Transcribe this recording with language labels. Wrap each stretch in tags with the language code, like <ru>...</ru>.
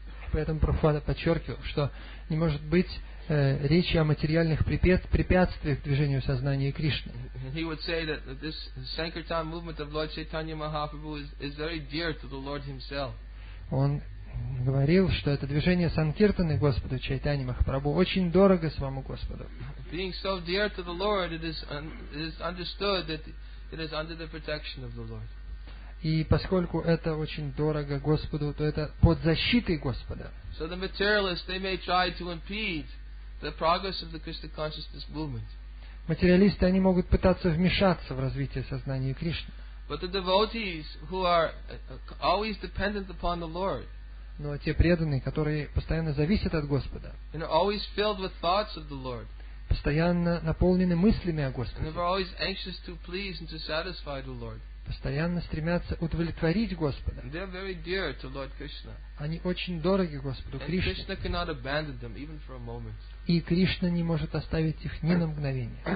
<ru>Поэтому Прабхупада подчеркивал, что не может быть речи о материальных препятствиях к движению сознания Кришны.</ru> <en>He would say that this Sankirtan movement of Lord Chaitanya Mahaprabhu is very dear to the Lord himself.</en> <ru>Он говорил, что это движение Санкиртаны Господу Чайтани Махапрабху очень дорого самому Господу.</ru> <en>Being so dear to the Lord, it is understood that it is under the protection of the Lord.</en> <ru>И поскольку это очень дорого Господу, то это под защитой Господа.</ru> <en>So the materialists, they may try to impede the progress of the Krishna consciousness movement.</en> <ru>Материалисты, они могут пытаться вмешаться в развитие сознания Кришны.</ru> <en>But the devotees who are always dependent upon the Lord.</en> <ru>Но те преданные, которые постоянно зависят от Господа.</ru> <en>And are always filled with thoughts of the Lord.</en> <ru>Постоянно наполнены мыслями о Господе.</ru> <en>And they are always anxious to please and to satisfy the Lord.</en> <ru>Постоянно стремятся удовлетворить Господа.</ru> <en>They are very dear to Lord Krishna.</en> <ru>Они очень дороги Господу Кришне.</ru> <en>And Krishna cannot abandon them even for a moment.</en> <ru>И Кришна не может оставить их ни на мгновение.</ru>